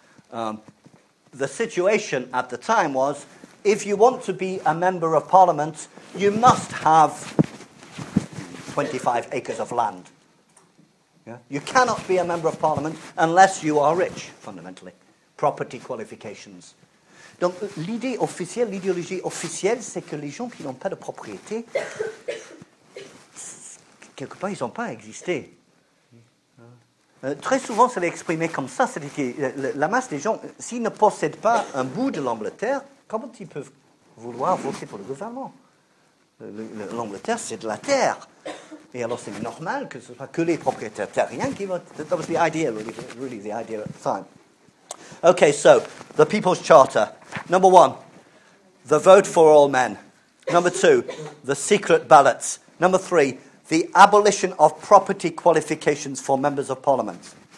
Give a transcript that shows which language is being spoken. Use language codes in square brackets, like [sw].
[en] The situation at the time was, if you want to be a member of parliament, you must have 25 acres of land. Yeah. You cannot be a member of parliament unless you are rich, fundamentally. Property qualifications. [fr] Donc, l'idée officielle, l'idéologie officielle, c'est que les gens qui n'ont pas de propriété, quelque part, ils n'ont pas existé. Très souvent, ça l'est exprimé comme ça, c'est-à-dire que la masse des gens, s'ils ne possèdent pas un bout de l'Angleterre, comment ils peuvent vouloir voter pour le gouvernement? L'Angleterre, c'est de la terre. Et alors, c'est normal que ce soit que les propriétaires terriens qui votent. [en] That was the idea, really the idea at the time. Okay, so, the People's Charter. Number one, the vote for all men. Number two, the secret ballots. Number three, the abolition of property qualifications for members of parliament.